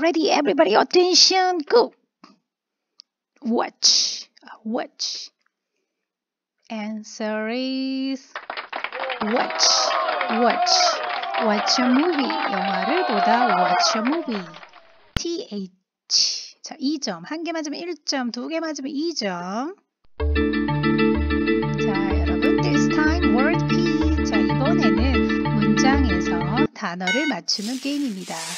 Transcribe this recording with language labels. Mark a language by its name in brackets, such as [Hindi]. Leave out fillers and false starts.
[English] Ready, everybody, attention, go. Watch, watch. Answer is watch, watch. Watch a movie. [Korean] 영화를 보다 [English] watch a movie. [Korean] TH. 자, 2점. 한 개 맞으면 1점, 두 개 맞으면 2점. 자, 여러분, [English] this time, word P. [Korean] 자, 이번에는 문장에서 단어를 맞추는 게임입니다.